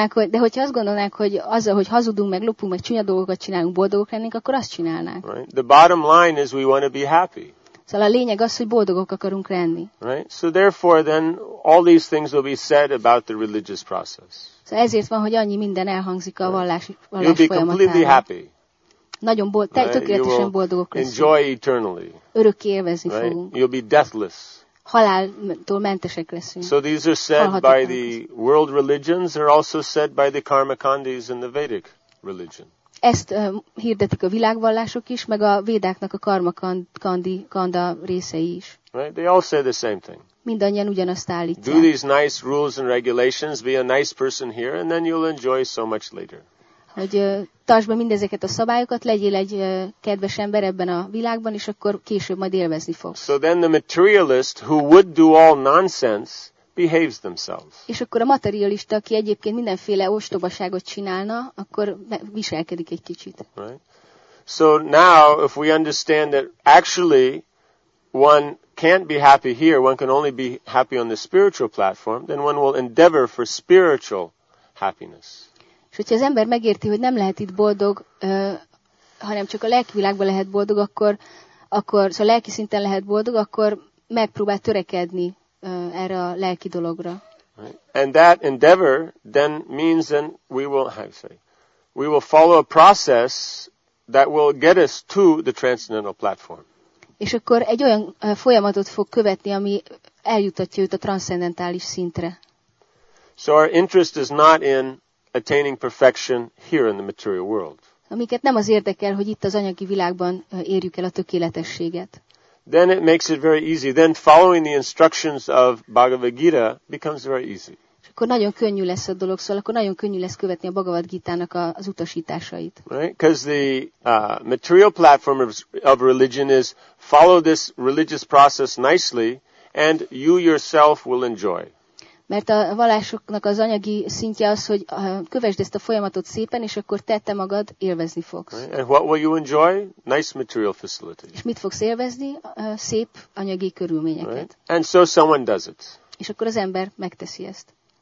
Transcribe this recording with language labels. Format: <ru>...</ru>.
<hu>De hogyha azt gondolnánk, hogy azzal, hogy hazudunk, meg lopunk, meg csúnya dolgokat csinálunk, boldogok lennénk, akkor azt csinálnánk.</hu> <en>Right? The bottom line is we want to be happy.</en> <hu>Szóval a lényeg az, hogy boldogok akarunk lenni.</hu> <en>Right? So therefore then all these things will be said about the religious process.</en> <hu>Szóval ezért van, hogy annyi minden elhangzik a vallás folyamatában.</hu> <en>You'll be completely happy.</en> <hu>Nagyon tökéletesen boldogok leszünk.</hu> <en>Enjoy eternally.</en> <hu>Örökké élvezni fogunk.</hu> <en>You'll be deathless.</en> <hu>Haláltól mentesek leszünk.</hu> <en>So these are said by the world religions, they're also said by the Karmakandis and the Vedic religion.</en> <hu>Ezt hirdetik a világvallások is, meg a védáknak a karma kanda részei is.</hu> <en>Right? They all say the same thing.</en> <hu>Mindannyian ugyanazt állítják.</hu> <en>Do these nice rules and regulations, be a nice person here, and then you'll enjoy so much later.</en> <hu>Hogy tartsd be mindezeket a szabályokat, legyél egy kedves ember ebben a világban, és akkor később majd élvezni fogsz.</hu> <en>So then the materialist who would do all nonsense behaves themselves.</en> <hu>És akkor a materialista, aki egyébként mindenféle ostobaságot csinálna, akkor viselkedik egy kicsit.</hu> <en>Right. So now if we understand that actually one can't be happy here, one can only be happy on the spiritual platform, then one will endeavor for spiritual happiness.</en> <hu>És hogyha az ember megérti, hogy nem lehet itt boldog, hanem csak a lelki világban lehet boldog, akkor szóval lelki szinten lehet boldog, akkor megpróbál törekedni erre a lelki dologra.</hu> <en>Right. And that endeavor then means then we will follow a process that will get us to the transcendental platform.</en> <hu>És akkor egy olyan folyamatot fog követni, ami eljutatja őt a transzcendentális szintre.</hu> <en>So our interest is not in attaining perfection here in the material world.</en> <hu>Amiket nem az érdekel, hogy itt az anyagi világban érjük el a tökéletességet.</hu> <en>Then it makes it very easy. Then following the instructions of Bhagavad Gita becomes very easy.</en> <hu>És akkor nagyon könnyű lesz a dolog, szóval akkor nagyon könnyű lesz követni a Bhagavad Gita-nak az utasításait.</hu> <en>Right? Because the material platform of religion is follow this religious process nicely and you yourself will enjoy.</en> <hu>Mert a vallásoknak az anyagi szintje az, hogy kövesd ezt a folyamatot szépen, és akkor te magad élvezni fogsz.</hu> <en>Right. And what will you enjoy? Nice material facilities.</en> <hu>És mit fogsz élvezni? Szép anyagi körülményeket.</hu> <en>Right. And so someone does it.</en> <hu>És akkor az ember megteszi ezt.</hu>